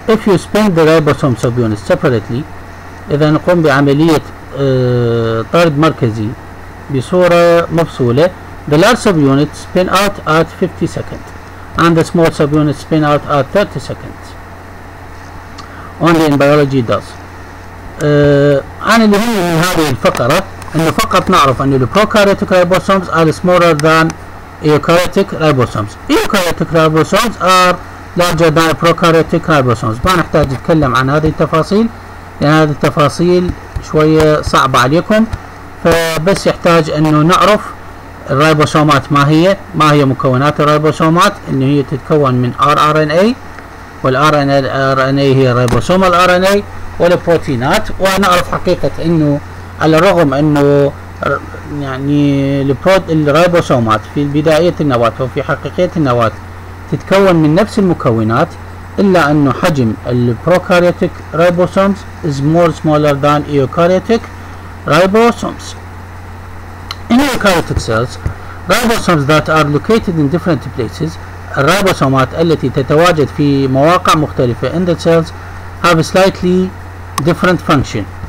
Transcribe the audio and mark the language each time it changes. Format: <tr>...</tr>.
<en>If you spin the ribosome subunits separately,</en> <ar>إذا نقوم بعملية طرد مركزي بصورة مفصولة,</ar> <en>the large subunits spin out at 50 seconds, and the small subunits spin out at 30 seconds. Only in biology does.</en> <ar>أنا اللي هم من هذه الفقرة إنه فقط نعرف أن البروكاريوتيك</ar> <en>ribosomes are smaller than eukaryotic ribosomes. Eukaryotic ribosomes are larger than prokaryotic ribosomes.</en> <ar>ما نحتاج نتكلم عن هذه التفاصيل لأن هذه التفاصيل شوية صعبة عليكم. فبس يحتاج إنه نعرف الريبوسومات ما هي, ما هي مكونات الريبوسومات, إن هي تتكون من RNA والRNA هي ريبوسومال RNA والبروتينات. ونعرف حقيقة إنه على الرغم إنه يعني الريبوسومات في بداية النواة وفي حقيقية النواة تتكون من نفس المكونات إلا أنه حجم البروكاريوتيك ريبوسومز</ar> <en>is more smaller than eukaryotic ribosomes. In eukaryotic cells, ribosomes that are located in different places,</en> <ar>الريبوسومات التي تتواجد في مواقع مختلفة</ar> <en>in the cells have a slightly different function.</en>